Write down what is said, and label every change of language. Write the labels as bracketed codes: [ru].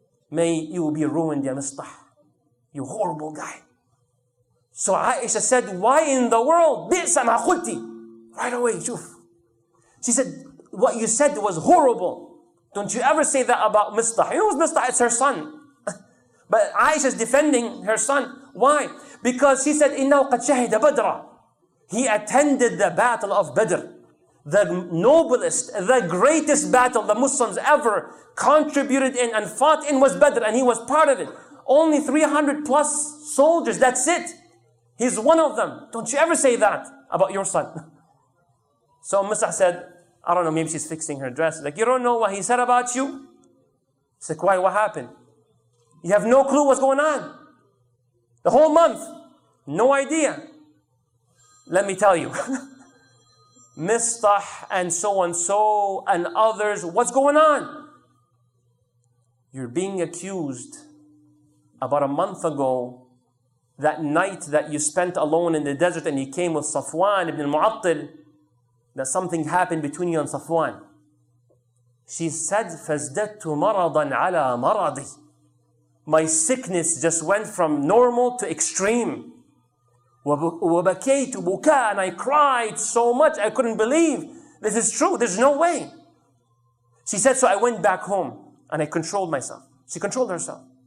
[en] May you be ruined, ya Mistah. You horrible guy. So Aisha said, why in the world? [ar] Bi'sa ma khulti. [en] Right away, shuf. She said, what you said was horrible. Don't you ever say that about Mistah. You know who's Mistah? It's her son. But Aisha is defending her son. Why? Because she said, [ar] إِنَّهُ قَدْ شَهِدَ بَدْرًا. [en] He attended the battle of Badr. The noblest, the greatest battle the Muslims ever contributed in and fought in was Badr. And he was part of it. Only 300 plus soldiers. That's it. He's one of them. Don't you ever say that about your son. So Mistah said, I don't know, maybe she's fixing her dress. Like, you don't know what he said about you? It's like, why, what happened? You have no clue what's going on. The whole month, no idea. Let me tell you. Mistah and so and others, what's going on? You're being accused about a month ago, that night that you spent alone in the desert and you came with Safwan ibn al-Mu'attil, that something happened between you and Safwan. She said, [ar] فَازْدَدْتُ مَرَضًا عَلَى مَرَضِي. [en] My sickness just went from normal to extreme. [ar] وَبَكَيْتُ بُكَى. [en] And I cried so much, I couldn't believe. This is true, there's no way. She said, so I went back home and I controlled myself. She controlled herself.